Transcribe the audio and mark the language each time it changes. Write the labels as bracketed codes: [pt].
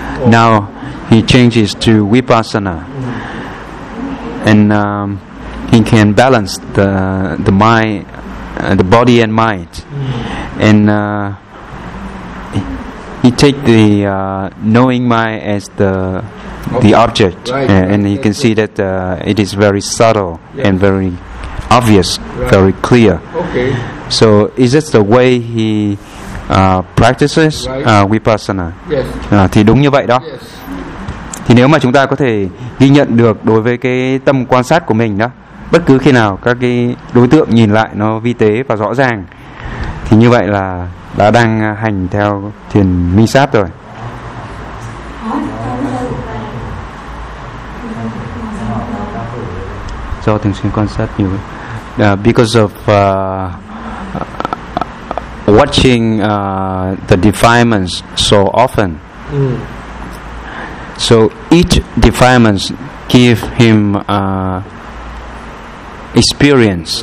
[en] Now he changes to vipassana, and he can balance the mind, the body and mind, and he take the knowing mind as the the object, and you can see that it is very subtle and very obvious, very clear. Okay. So is this the way he practices vipassana? Yes. [vi] Thì đúng như vậy đó. [en] Yes. [vi] Thì nếu mà chúng ta có thể ghi nhận được đối với cái tâm quan sát của mình đó, bất cứ khi nào các cái đối tượng nhìn lại nó vi tế và rõ ràng, thì như vậy là đã đang hành theo thiền minh sát rồi. Do thường xuyên quan sát nhiều. [en] Because of watching the defilements so often, so each defilements give him experience,